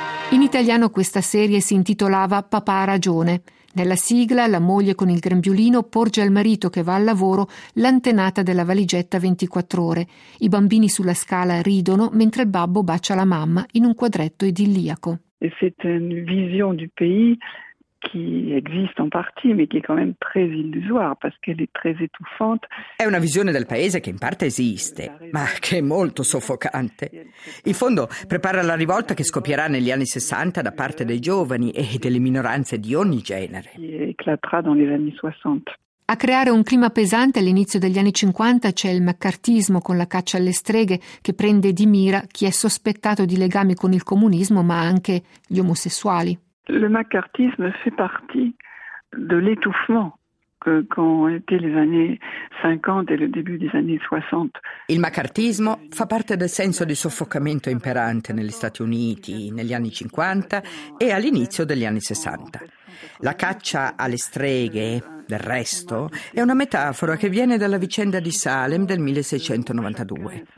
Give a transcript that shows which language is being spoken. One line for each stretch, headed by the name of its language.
Italian: In italiano questa serie si intitolava Papà ha ragione. Nella sigla, la moglie con il grembiulino porge al marito che va al lavoro l'antenata della valigetta 24 ore. I bambini sulla scala ridono mentre il babbo bacia la mamma in un quadretto idilliaco.
French: E c'est une vision du pays qui existe en partie, mais qui est quand même très illusoire parce qu'elle est très étouffante.
Italian: È una visione del paese che in parte esiste, ma che è molto soffocante. In fondo prepara la rivolta che scoppierà negli anni 60 da parte dei giovani e delle minoranze di ogni genere.
French: Éclatera dans les années 60.
Italian: A creare un clima pesante all'inizio degli anni 50 c'è il maccartismo con la caccia alle streghe che prende di mira chi è sospettato di legami con il comunismo, ma anche gli omosessuali.
French: Le maccartisme fait partie de l'étouffement qu'ont été les années 50 et le début des années 60.
Italian: Il maccartismo fa parte del senso di soffocamento imperante negli Stati Uniti negli anni 50 e all'inizio degli anni 60. La caccia alle streghe, del resto, è una metafora che viene dalla vicenda di Salem del 1692.